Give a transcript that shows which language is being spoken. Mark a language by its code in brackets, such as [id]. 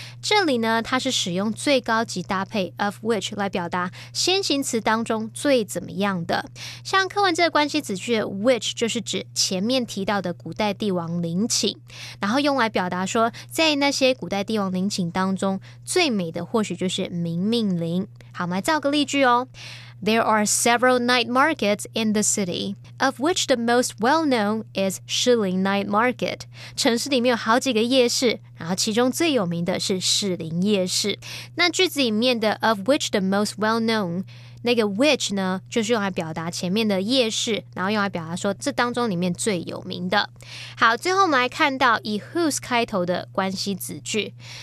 [zh] 这里呢，它是使用最高级搭配 [en] of which [zh] 来表达先行词当中最怎么样的。像课文这个关系子句 which 就是指前面提到的古代帝王陵寝，然后用来表达说在那些古代帝王陵寝当中最美的或许就是明命陵。好，我们来造个例句哦。 [en] There are several night markets in the city, of which the most well-known is Shilin Night Market. [zh] 城市里面有好几个夜市，然后其中最有名的是士林夜市。那句子里面的 [en] of which the most well-known, [zh] 那个 which 呢，就是用来表达前面的夜市，然后用来表达说这当中里面最有名的。好，最后我们来看到以 whose 开头的关系子句。